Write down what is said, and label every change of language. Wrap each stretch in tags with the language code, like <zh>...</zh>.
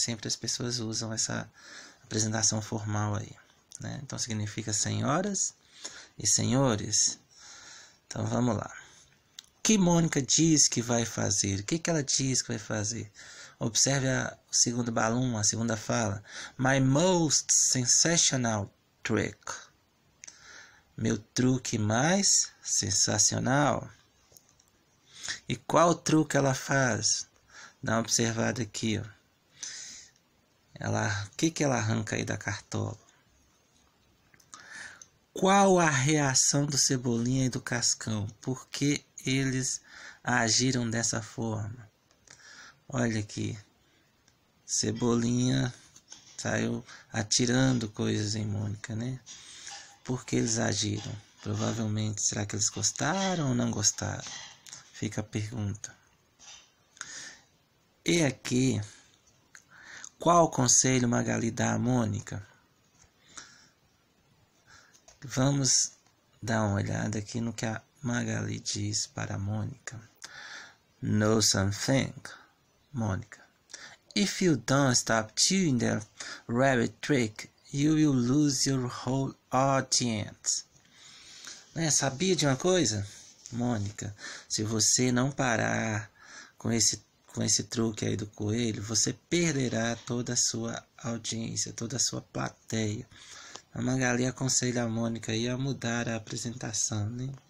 <pt>Sempre as pessoas usam essa apresentação formal aí, né? Então significa senhoras e senhores. Então vamos lá. O que Mônica diz que vai fazer? O que que ela diz que vai fazer? Observe a segunda balão, a segunda fala.</pt> <en>My most sensational trick.</en> <pt>Meu truque mais sensacional. E qual truque ela faz? Dá uma observada aqui, ó. O que que ela arranca aí da cartola? Qual a reação do Cebolinha e do Cascão? Por que eles agiram dessa forma? Olha aqui. Cebolinha saiu atirando coisas em Mônica, né? Por que eles agiram? Provavelmente, será que eles gostaram ou não gostaram? Fica a pergunta. E aqui, qual conselho Magali dá a Mônica? Vamos dar uma olhada aqui no que a Magali diz para Mônica.</pt> <en>Know something, Mônica. If you don't stop doing the rabbit trick, you will lose your whole audience.</en> <pt>Né? Sabia de uma coisa, Mônica? Se você não parar com esse truque aí do coelho, você perderá toda a sua audiência, toda a sua plateia. A Magali aconselha a Mônica aí a mudar a apresentação, né?</pt>